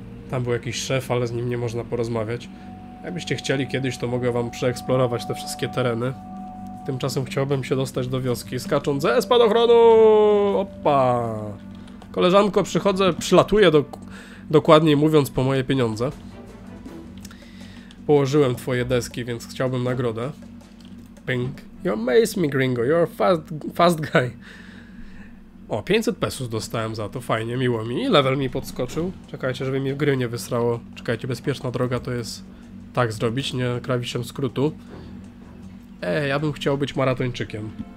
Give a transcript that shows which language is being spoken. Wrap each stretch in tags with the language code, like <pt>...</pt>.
<pl>Tam był jakiś szef, ale z nim nie można porozmawiać. Jakbyście chcieli kiedyś, to mogę wam przeeksplorować te wszystkie tereny. Tymczasem chciałbym się dostać do wioski, skacząc ze spadochronu! Opa! Koleżanko, przychodzę, przylatuję dokładniej mówiąc po moje pieniądze. Położyłem twoje deski, więc chciałbym nagrodę. Pink.</pl> <en>You amaze me, gringo, you're a fast guy.</en> <pl>O, 500 pesos dostałem za to, fajnie, miło mi. Level mi podskoczył. Czekajcie, żeby mi w gry nie wysrało. Czekajcie, bezpieczna droga to jest tak zrobić, nie krawiczem skrótu. Ja bym chciał być maratończykiem.</pl>